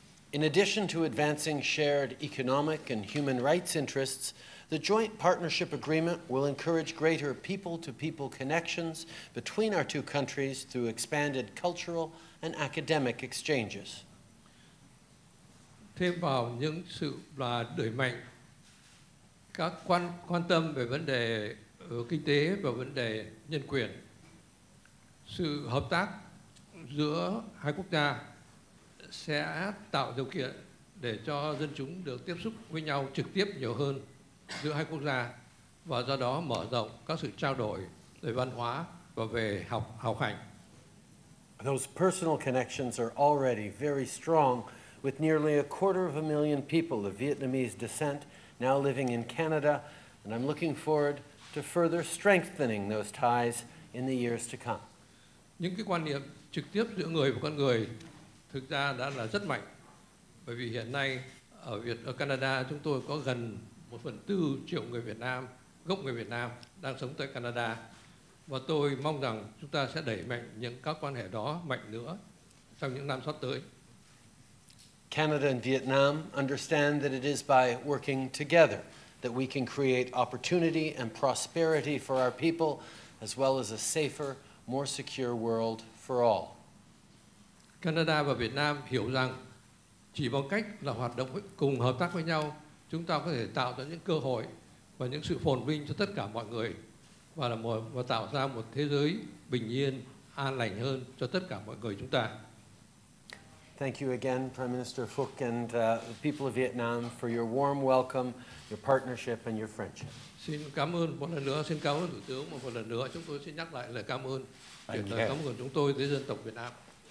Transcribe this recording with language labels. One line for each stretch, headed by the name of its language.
English: In addition to advancing shared economic and human rights interests, the joint partnership agreement will encourage greater people-to-people connections between our two countries through expanded cultural and academic exchanges.
Vietnamese: Thêm vào những sự là đẩy mạnh các quan tâm về vấn đề kinh tế và vấn đề nhân quyền, sự hợp tác giữa hai quốc gia sẽ tạo điều kiện để cho dân chúng được tiếp xúc với nhau trực tiếp nhiều hơn giữa hai quốc gia và do đó mở rộng các sự trao đổi về văn hóa và về học hành.
English: Those personal connections are already very strong with nearly a quarter of a million people of Vietnamese descent now living in Canada, and I'm looking forward to further strengthening those ties in the years to come.
Vietnamese: Những cái quan niệm trực tiếp giữa người và con người thực ra đã là rất mạnh. Bởi vì hiện nay ở Canada chúng tôi có gần 1/4 triệu người Việt Nam, gốc người Việt Nam đang sống tại Canada. Và tôi mong rằng chúng ta sẽ đẩy mạnh những các quan hệ đó mạnh nữa trong những năm sắp tới.
English: Canada and Vietnam understand that it is by working together that we can create opportunity and prosperity for our people as well as a safer, more secure world for all.
Vietnamese: Canada và Việt Nam hiểu rằng chỉ bằng cách là hoạt động cùng hợp tác với nhau, chúng ta có thể tạo ra những cơ hội và những sự phồn vinh cho tất cả mọi người và tạo ra một thế giới bình yên, an lành hơn cho tất cả mọi người chúng ta.
English: Thank you again, Prime Minister Phúc and the people of Vietnam for your warm welcome, your partnership and your friendship.
Vietnamese: Xin cảm ơn một lần nữa, xin cảm ơn Thủ tướng một lần nữa. Chúng tôi xin nhắc lại lời cảm ơn, chuyển lời cảm ơn chúng tôi tới dân tộc Việt Nam.